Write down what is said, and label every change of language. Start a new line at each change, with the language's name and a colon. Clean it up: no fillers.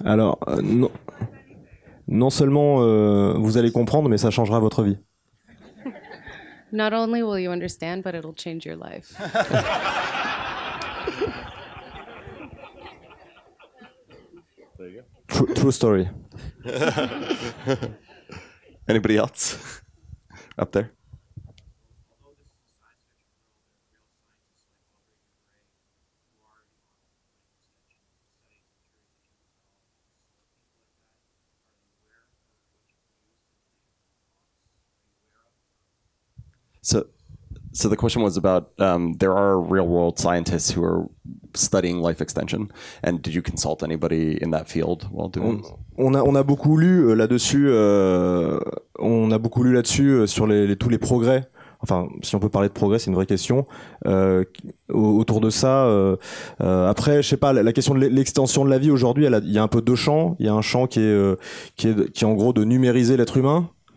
French: Alors, non seulement vous allez comprendre, mais ça changera votre vie.
English: Not only will you understand, but it'll change your life. There you go. True story. Anybody else up there? So, So the question was about there are real world scientists who are studying life extension, and did you consult anybody in that field while doing?
French: On a beaucoup lu là-dessus. On a beaucoup lu là-dessus sur tous les progrès. Enfin, si on peut parler de progrès, c'est une vraie question. Autour de ça, après, je sais pas, la question de l'extension de la vie aujourd'hui, il y a un peu deux champs. Il y a un champ qui est en gros de numériser l'être humain.